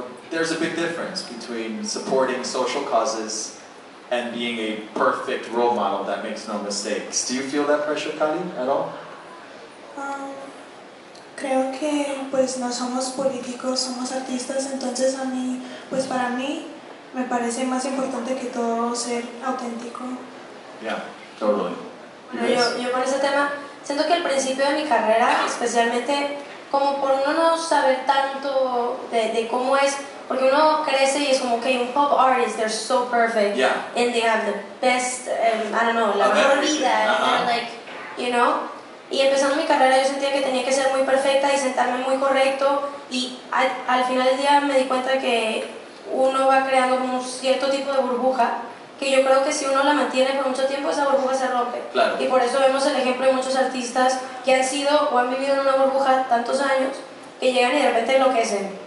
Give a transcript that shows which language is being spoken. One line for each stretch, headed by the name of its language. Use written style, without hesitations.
English: There's a big difference between supporting social causes and being a perfect role model that makes no mistakes. Do you feel that pressure, Kali, at all?
Spanish: Creo que pues no somos políticos, somos artistas, entonces a mí, pues para mí, me parece más importante que todo ser auténtico.
English: Yeah, totally.
Spanish: Bueno, yo por ese tema, siento que al principio de mi carrera, especialmente como por uno no saber tanto de cómo es, porque uno crece y es como, okay, un pop artist, they're so perfect,
English: yeah, and they have the best, I don't know, la mejor vida, uh-huh, and like, you know.
Spanish: Y empezando mi carrera yo sentía que tenía que ser muy perfecta y sentarme muy correcto, y al final del día me di cuenta que uno va creando como un cierto tipo de burbuja, que yo creo que si uno la mantiene por mucho tiempo, esa burbuja se rompe. Claro. Y por eso vemos el ejemplo de muchos artistas que han sido o han vivido en una burbuja tantos años, que llegan y de repente enloquecen.